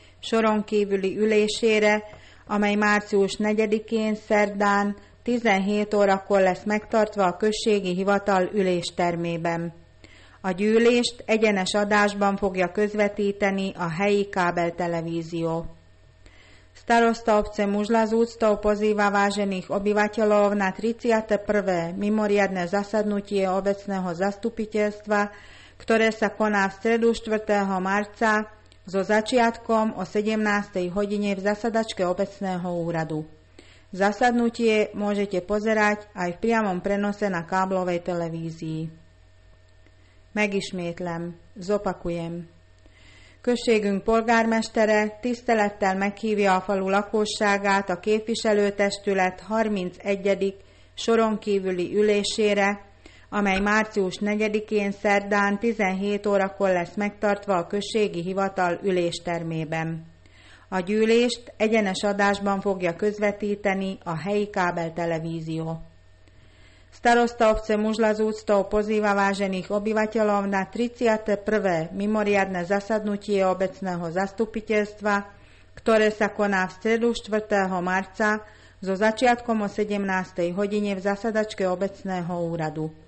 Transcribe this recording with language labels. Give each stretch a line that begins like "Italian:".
Hungarian: soron kívüli ülésére, amely március 4-én szerdán 17 órakor lesz megtartva a községi hivatal üléstermében. A gyűlést egyenes adásban fogja közvetíteni a helyi kábeltelevízió.
Slovak: Starosta obce Mužlazúcta pozýva vážených obyvateľov na 31. mimoriadne zasadnutie obecného zastupiteľstva, ktoré sa koná v stredu 4. marca so začiatkom o 17. hodine v zasadačke obecného úradu. Zasadnutie môžete pozerať aj v priamom prenose na káblovej televízii.
Hungarian: Megismétlem,
Slovak: zopakujem.
Hungarian: Községünk polgármestere tisztelettel meghívja a falu lakosságát a képviselőtestület 31. soron kívüli ülésére, amely március 4-én szerdán 17 órakor lesz megtartva a községi hivatal üléstermében. A gyűlést egyenes adásban fogja közvetíteni a helyi kábeltelevízió.
Slovak: Starosta obce Mužlazúcta pozýva vážených obyvateľov na 31. mimoriadne zasadnutie obecného zastupiteľstva, ktoré sa koná v stredu 4. marca so začiatkom o 17. hodine v zasadačke obecného úradu.